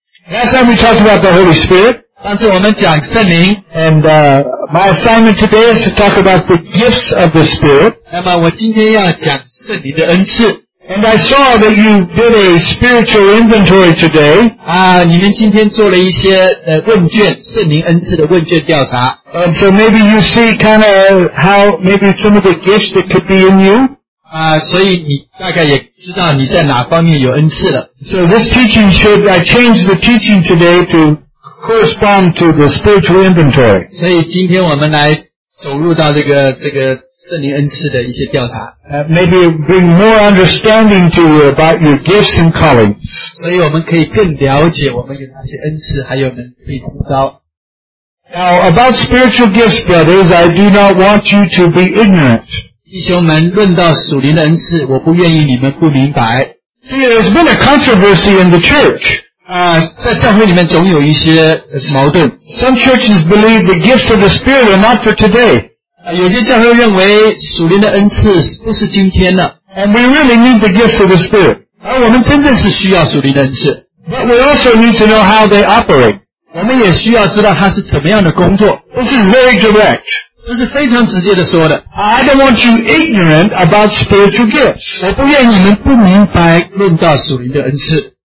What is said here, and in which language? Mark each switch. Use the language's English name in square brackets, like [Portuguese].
[English] Last time we talked about the Holy Spirit. [Chinese] 上次我们讲圣灵。 [English] And my assignment today is to talk about the gifts of the Spirit. [Chinese] 那么我今天要讲圣灵的恩赐。 [English] And I saw that you did a spiritual inventory today. [Chinese] 你们今天做了一些问卷，圣灵恩赐的问卷调查。 [English] And so maybe you see kind of how maybe some of the gifts that could be in you. [Chinese] 所以你大概也知道你在哪方面有恩赐了。 [English] So this teaching should, I changed the teaching today to correspond to the spiritual inventory. [Chinese] 所以今天我们来走入到这个圣灵恩赐的一些调查。 [English] Maybe bring more understanding to you about your gifts and callings. [Chinese] 所以我们可以更了解我们有哪些恩赐，还有能被呼召。 [English] Now about spiritual gifts, brothers, I do not want you to be ignorant. [Chinese] 弟兄们，论到属灵的恩赐，我不愿意你们不明白。 [English] See, there's been a controversy in the church. [Chinese] 在教会里面总有一些矛盾。 [English] Some churches believe the gifts of the Spirit are not for today. [Chinese] 有些教会认为属灵的恩赐不是今天的。 [English] And we really need the gifts of the Spirit. [Chinese] 而我们真正是需要属灵的恩赐。 [English] But we also need to know how they operate. [Chinese] 我们也需要知道他是怎么样的工作。 [English] This is very direct. [Chinese] 这是非常直接的说的。 [English] I don't want you ignorant about spiritual gifts. [Chinese] 我不愿你们不明白论到属灵的恩赐。